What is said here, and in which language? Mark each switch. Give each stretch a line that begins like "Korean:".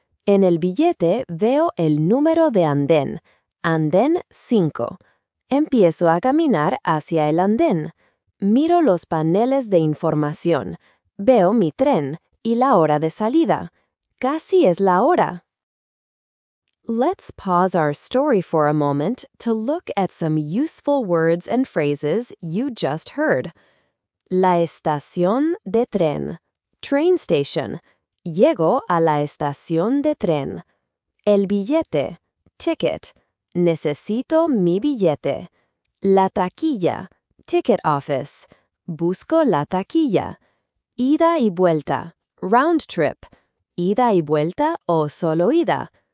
Spanish: En el billete veo el número de andén, andén 5. Empiezo a caminar hacia el andén. Miro los paneles de información. Veo mi tren y la hora de salida. Casi es la hora.
English: Let's pause our story for a moment to look at some useful words and phrases you just heard.
Spanish: La estación de tren.
English: Train station.
Spanish: Llego a la estación de tren. El billete. Ticket. Necesito mi billete. La taquilla.
English: Ticket office.
Spanish: Busco la taquilla. Ida y vuelta.
English: Round trip.
Spanish: Ida y vuelta o solo ida.